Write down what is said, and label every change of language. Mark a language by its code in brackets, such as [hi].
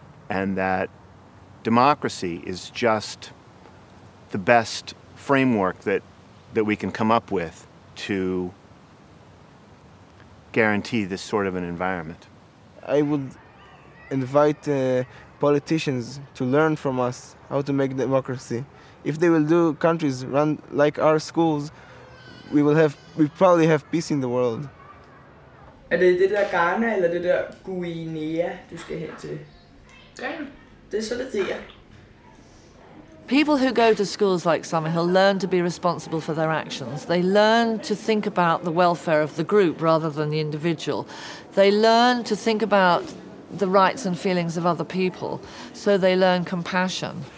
[en] And that democracy is just the best framework that we can come up with to guarantee this sort of an environment. I would invite politicians to learn from us how to make democracy. If they will do countries run like our schools, we probably have peace in the world. [da] Er det det der Ghana eller det der Guinea du skal hen til? Ghana. Det er sådan der. [en] People who go to schools like Summerhill learn to be responsible for their actions. They learn to think about the welfare of the group rather than the individual. They learn to think about the rights and feelings of other people, so they learn compassion.